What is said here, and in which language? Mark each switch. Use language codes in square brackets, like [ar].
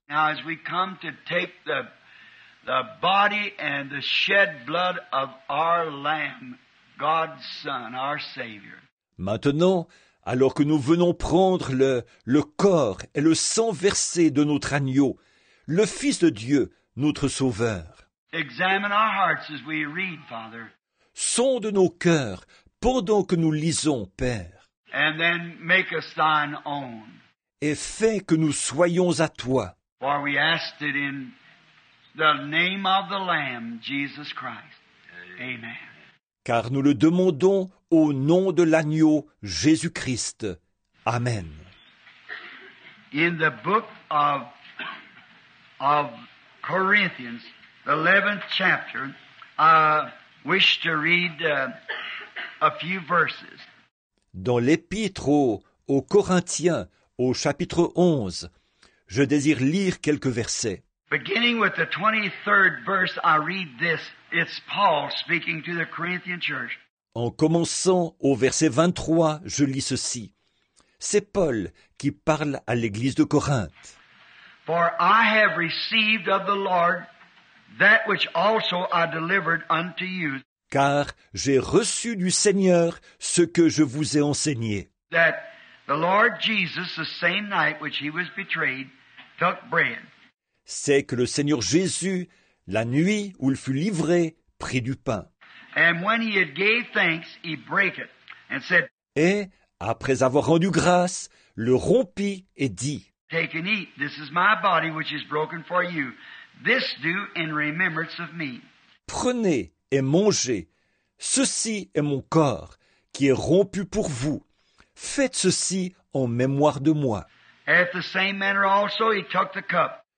[en] Now as we come to take the body and the shed blood of our Lamb, God's Son, our Savior. [fr] Maintenant, alors que nous venons prendre le corps et le sang versé de notre agneau, le Fils de Dieu, notre Sauveur. [en] Examine our hearts as we read, Father. [fr] Sonde nos cœurs pendant que nous lisons, Père. [en] And then make us thine own. [fr] Et fais que nous soyons à toi. [en] For we asked it in the name of the Lamb, Jesus Christ. Amen. [fr] Car nous le demandons au nom de l'agneau, Jésus-Christ. Amen. [en] In the book of Corinthians, the 11th chapter, I wish to read a few verses. [fr] Dans l'épître aux Corinthiens, au chapitre 11, je désire lire quelques versets. [en] Beginning with the 23rd verse, I read this. It's Paul speaking to the Corinthian church. [fr] En commençant au verset 23, je lis ceci. C'est Paul qui parle à l'église de Corinthe. [en] For I have received of the Lord that which also I delivered unto you. [fr] Car j'ai reçu du Seigneur ce que je vous ai enseigné. [en] That the Lord Jesus, the same night which he was betrayed, took bread. [fr] C'est que le Seigneur Jésus, la nuit où il fut livré, prit du pain. [en] And when he had gave thanks, he broke it and said, [fr] et après avoir rendu grâce, le rompit et dit, [en] take and eat, this is my body which is broken for you. This do in remembrance of me. [fr] Prenez et mangez, ceci est mon corps qui est rompu pour vous. Faites ceci en mémoire de moi. [en] At the same manner also he took the cup.